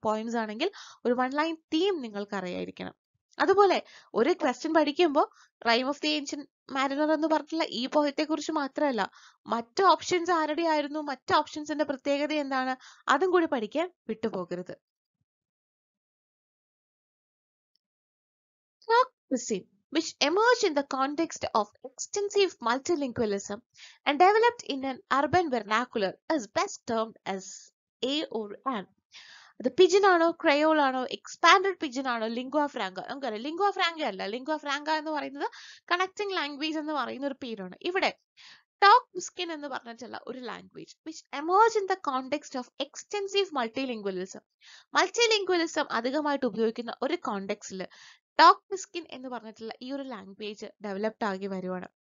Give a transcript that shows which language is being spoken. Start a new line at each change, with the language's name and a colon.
Malayalam: Poems ആണെങ്കിൽ ഒരു one line theme നിങ്ങൾക്ക് അറിയായിരിക്കണം. അതുപോലെ ഒരു ക്വസ്റ്റ്യൻ പഠിക്കുമ്പോൾ rhyme of the ancient Mariner എന്ന് പറഞ്ഞിട്ടുള്ള ഈ പോയത്തെ കുറിച്ച് മാത്രമല്ല, മറ്റ് ഓപ്ഷൻസ് ആരുടെ ആയിരുന്നു, മറ്റ് ഓപ്ഷൻസിന്റെ പ്രത്യേകത എന്താണ്, അതും കൂടി പഠിക്കാൻ വിട്ടുപോകരുത്.
English: Which emerged in the context of extensive multilingualism and developed in an urban vernacular is best termed as A or An.
Malayalam: അത് പിജിൻ ആണോ, ക്രയോൾ ആണോ, എക്സ്പാൻഡഡ് പിജിൻ ആണോ, ലിംഗ്വ ഫ്രാങ്ക, നമുക്കറിയാം ലിംഗ്വ ഫ്രാങ്ക അല്ല, ലിംഗ്വ ഫ്രാങ്ക എന്ന് പറയുന്നത് കണക്ടിംഗ് ലാംഗ്വേജ് എന്ന് പറയുന്ന ഒരു പേരാണ്. ഇവിടെ ടോക്ക് മിസ്കിൻ എന്ന് പറഞ്ഞിട്ടുള്ള ഒരു language
English: which emerge in the context of extensive multilingualism,
Malayalam: മൾട്ടിലിംഗ്വലിസം അധികമായിട്ട് ഉപയോഗിക്കുന്ന ഒരു കോണ്ടെക്സ്റ്റില് ടോക്ക് മിസ്കിൻ എന്ന് പറഞ്ഞിട്ടുള്ള ഈ ഒരു ലാംഗ്വേജ് ഡെവലപ്ഡ് ആകി വരുവാണ്.